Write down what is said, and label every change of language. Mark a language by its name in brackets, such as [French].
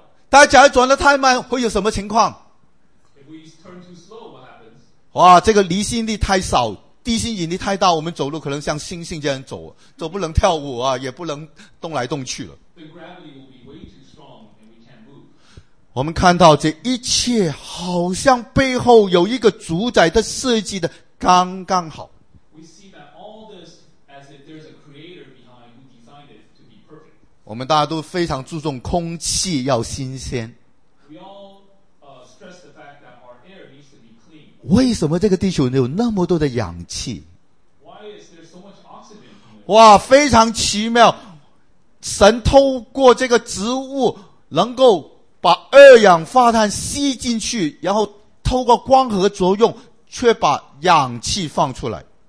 [Chinese] 大家假如转得太慢会有什么情况？ [English] If we turn too slow, what happens? [Chinese] 哇，这个离心力太少，地心引力太大，我们走路可能像猩猩这样走，走不能跳舞啊，也不能动来动去了。 [English] The gravity will be way too strong and we can't move. [Chinese] 我们看到这一切好像背后有一个主宰的设计的刚刚好。 [English] We see that all this as if there's a creator behind who designed it to be perfect. [Chinese] 我们大家都非常注重空气要新鲜。 [English] We all, stress the fact that our air needs to be clean. [Chinese] 为什么这个地球有那么多的氧气？ [English] Why is there so much oxygen in it? [Chinese] 哇，非常奇妙，神透过这个植物能够把二氧化碳吸进去，然后透过光合作用却把氧气放出来。